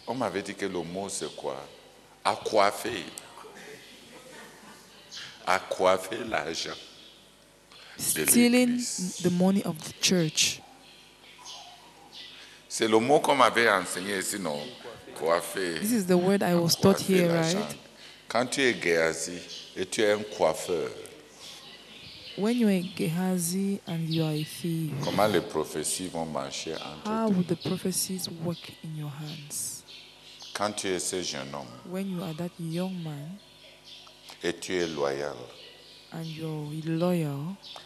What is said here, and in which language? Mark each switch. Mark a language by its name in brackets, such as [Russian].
[French] on m'avait dit que le mot c'est quoi? À coiffer. À coiffer l'argent de [English] stealing the money of the church. [French] C'est le mot qu'on m'avait enseigné ici, non? Coiffer. [English] This is the word I was taught here, right? [French] Quand tu es Gehazi et tu es un coiffeur, [English] when you are Gehazi and you are a thief, [French] comment les prophéties vont marcher entre [English] how would the prophecies work in your hands? [French] Quand tu es ce jeune homme, [English] when you are that young man, [French] et tu es loyal, [English] and you're loyal,